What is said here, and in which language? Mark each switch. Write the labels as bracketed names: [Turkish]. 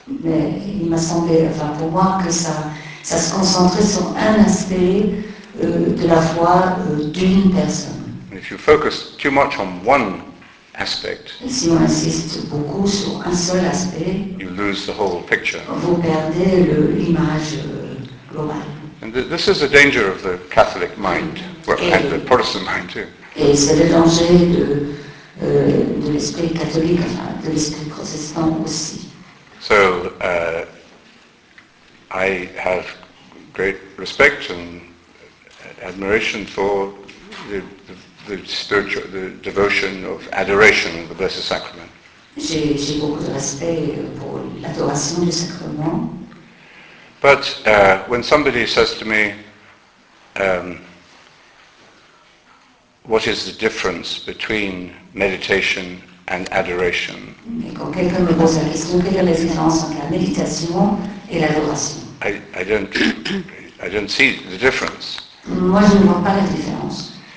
[French] Mais il m'a semblé, enfin pour moi, que ça se concentrait sur un aspect de la foi d'une personne. [English] And if you focus too much on one aspect, [French] si on insiste beaucoup sur un seul aspect, [English] you lose the whole picture. [French] Vous perdez l'image globale. [English] And this is the danger of the Catholic mind, and the Protestant mind too. [French] Et c'est le danger de l'esprit catholique, enfin, de l'esprit protestant aussi. [English] So, I have great respect and admiration for the spiritual, the devotion of adoration of the Blessed Sacrament. [French] J'ai beaucoup de respect pour l'adoration du sacrement. [English] But when somebody says to me, what is the difference between meditation and adoration. I don't see the difference.